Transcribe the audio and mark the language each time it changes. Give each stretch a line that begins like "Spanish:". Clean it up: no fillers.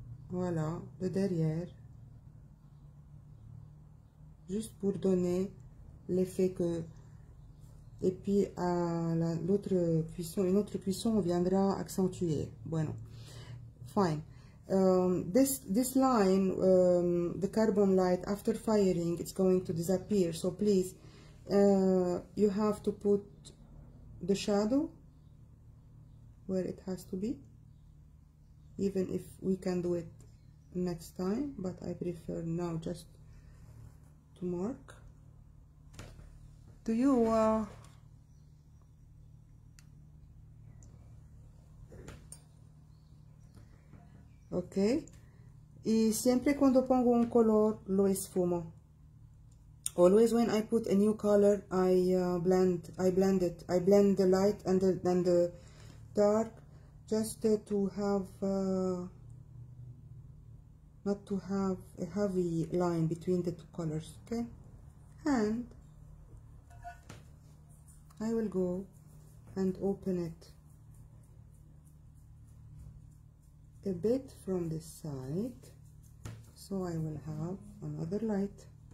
French: Voilà, le derrière. Juste pour donner l'effet que... Et puis à l'autre cuisson, une autre cuisson, on viendra accentuer.
Spanish: Bueno, fine.
English: This line, the carbon light after firing, it's going to disappear. So please, you have to put the shadow where it has to be. Even if we can do it next time, but I prefer now just to mark. Do you?
Spanish: Ok, y siempre cuando pongo un color lo esfumo.
English: Always when I put a new color, I blend the light and then the dark, just to have not to have a heavy line between the two colors. Okay, and I will go and open it a bit from this side, so I will have another light.